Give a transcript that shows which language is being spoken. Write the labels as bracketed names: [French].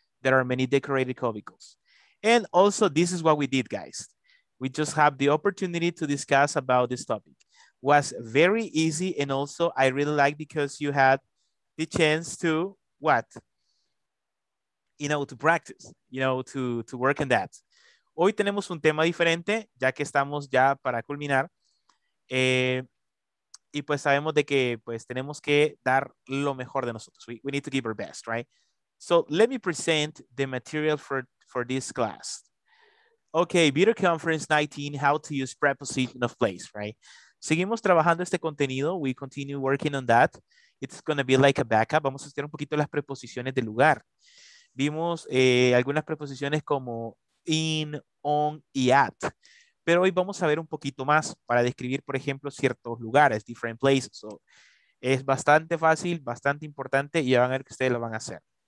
[English] There are many decorated cubicles. And also, this is what we did, guys. We just have the opportunity to discuss about this topic. It was very easy, and also I really like because you had the chance to what? You know, to practice, you know, to work on that. [Spanish] Hoy tenemos un tema diferente, ya que estamos ya para culminar. Y pues sabemos de que pues tenemos que dar lo mejor de nosotros. [English] We need to give our best, right? So let me present the material for this class. Okay, Video Conference 19, how to use preposition of place, right? [Spanish] Seguimos trabajando este contenido. [English] We continue working on that. It's going to be like a backup. [Spanish] Vamos a estudiar un poquito las preposiciones de lugar. Vimos algunas preposiciones como in, on y at. Pero hoy vamos a ver un poquito más para describir, por ejemplo, ciertos lugares, [English] different places. [Spanish] So, es bastante fácil, bastante importante y ya van a ver que ustedes lo van a hacer.